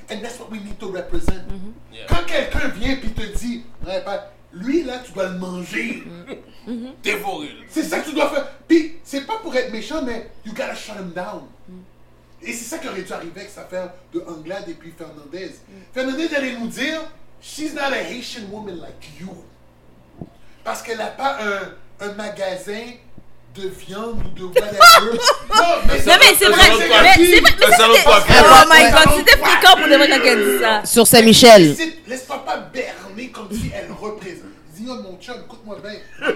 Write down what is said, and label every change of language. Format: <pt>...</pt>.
<en>And that's what we need to represent. Mm-hmm. Yeah.</en> <fr>Quand quelqu'un vient et te dit, lui, là, tu dois le manger. Mm-hmm. Dévorer. C'est ça que tu dois faire. Puis, c'est pas pour être méchant, mais</fr> <en>you gotta shut him down.</en> <fr>Et c'est ça qui aurait dû arriver avec cette affaire de Anglade et puis Fernandez. Mm. Fernandez allait nous dire,</fr> <en>she's not a Haitian woman like you.</en> <fr>Parce qu'elle n'a pas un magasin de viande ou de whatever. Non, mais c'est vrai. Mais c'est vrai.</fr> <en>Oh my god,</en> <fr>c'était fréquent pour des vrais qu'elle dit ça. Sur Saint-Michel. Laisse-toi pas berner comme si elle représente. Dis-moi, mon chum, écoute-moi bien.</fr>